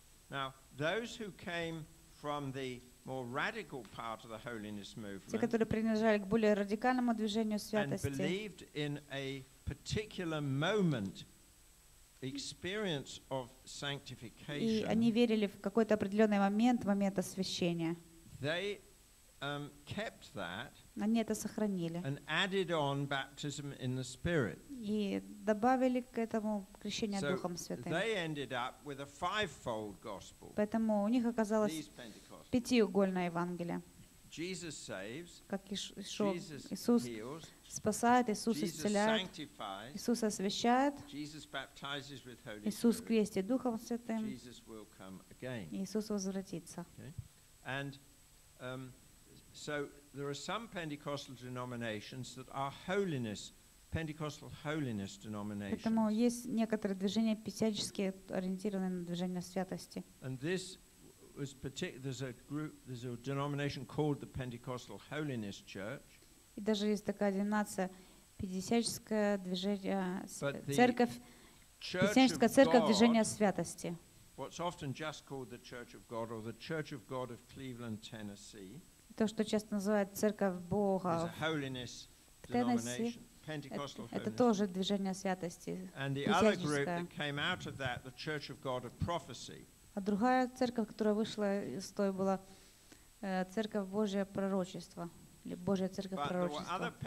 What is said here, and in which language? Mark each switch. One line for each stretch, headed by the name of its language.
English: Now, those who came from the more radical part of the holiness movement,
Russian: те, которые принадлежали к более радикальному движению святости,
English: and believed in a particular moment experience of sanctification,
Russian: и они верили в какой-то определенный момент, момент освящения,
English: they kept that,
Russian: они это сохранили,
English: and added on baptism in the Spirit,
Russian: и добавили к этому крещение
English: so
Russian: Духом Святым.
English: They ended up with a five-fold gospel,
Russian: поэтому у них оказалось пятиугольное Евангелие.
English: Jesus saves,
Russian: как Иисус
English: heals,
Russian: спасает, Иисус
English: Jesus
Russian: исцеляет, Иисус освящает,
English: Jesus baptizes with Holy Spirit,
Russian: Иисус крестит Духом Святым,
English: Jesus will come again.
Russian: Иисус возвратится.
English: Okay. And so there are some Pentecostal denominations that are holiness, Pentecostal holiness denominations.
Russian: Поэтому есть некоторые движения пятидесятнические, ориентированные на движение святости.
English: And this was there's a group, there's a denomination called the Pentecostal Holiness Church.
Russian: И даже есть такая деноминация, пятидесятническое движение, церковь, пятидесятническая церковь движения святости.
English: What's often just called the Church of God or the Church of God of Cleveland, Tennessee.
Russian: то, что часто называют церковь Бога, в Теннесси, это тоже движение святости, пятидесятническое. А другая церковь, которая вышла из той, была церковь Божия пророчества, или Божия церковь пророчества.